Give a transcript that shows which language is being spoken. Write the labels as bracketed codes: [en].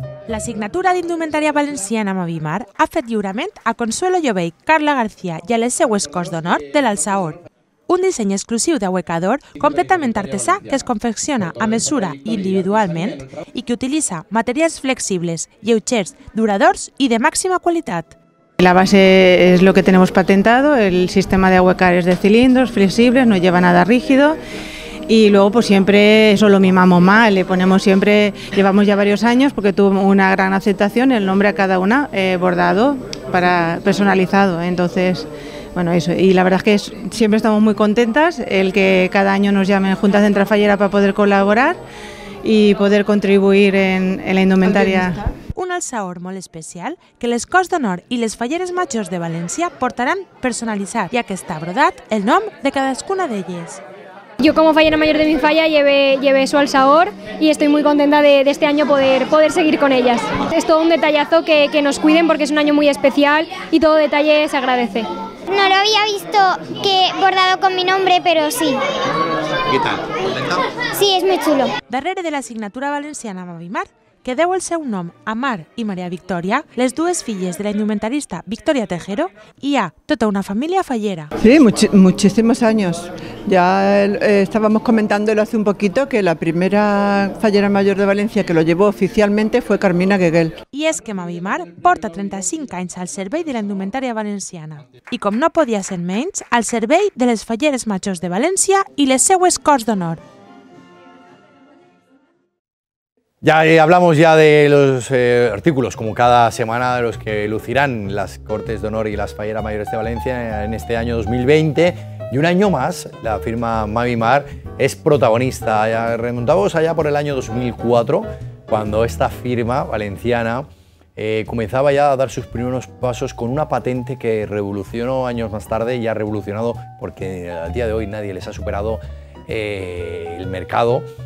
[ca] La signatura d'indumentària valenciana Mavimar ha fet lliurament a Consuelo Llobell, Carla García i a les seues cors d'honor de l'Alçaor. Un disseny exclusiu d'Huecador, completament artesà, que es confecciona a mesura i individualment i que utilitza materials flexibles, lleugers, duradors i de màxima qualitat. [es] La base es lo que tenemos patentado, el sistema de aguacares de cilindros, flexibles, no lleva nada rígido. Y luego pues siempre eso lo mimamos mal, le ponemos siempre, llevamos ya varios años porque tuvo una gran aceptación, el nombre a cada una bordado, para personalizado, entonces bueno eso, y la verdad es que siempre estamos muy contentas el que cada año nos llamen Junta Central Fallera para poder colaborar y poder contribuir en la indumentaria. [ca] Un alzaor molt especial que les Corts d'Honor i les Falleres Majors de València portaran personalitzat, ja que està brodat el nom de cadascuna d'elles. [es] Yo como fallera mayor de mi falla llevé su alzaor y estoy muy contenta de este año poder seguir con ellas. Es todo un detallazo que nos cuiden porque es un año muy especial y todo detalle se agradece. No lo había visto que bordado con mi nombre, pero sí. ¿Qué tal? ¿Contenta? Sí, es muy chulo. [ca] Darrere de la signatura valenciana Mavimar, que deu el seu nom a Mar i Maria Victòria, les dues filles de la indumentarista Victòria Tejero, hi ha tota una família fallera. [es] Sí, muchísimos años. Ya estábamos comentándolo hace un poquito que la primera fallera mayor de Valencia que lo llevó oficialmente fue Carmina Gueguel. [ca] I és que Mavimar porta 35 anys al servei de la indumentària valenciana. I com no podia ser menys, al servei de les falleres majors de València i les seues Corts d'Honor. [es] Ya hablamos ya de los artículos, como cada semana, de los que lucirán las Cortes d'Honor y las Falleras Mayores de Valencia en este año 2020. Y un año más, la firma Mavimar es protagonista. Ya remontamos allá por el año 2004, cuando esta firma valenciana comenzaba ya a dar sus primeros pasos con una patente que revolucionó años más tarde y ha revolucionado, porque al día de hoy nadie les ha superado el mercado.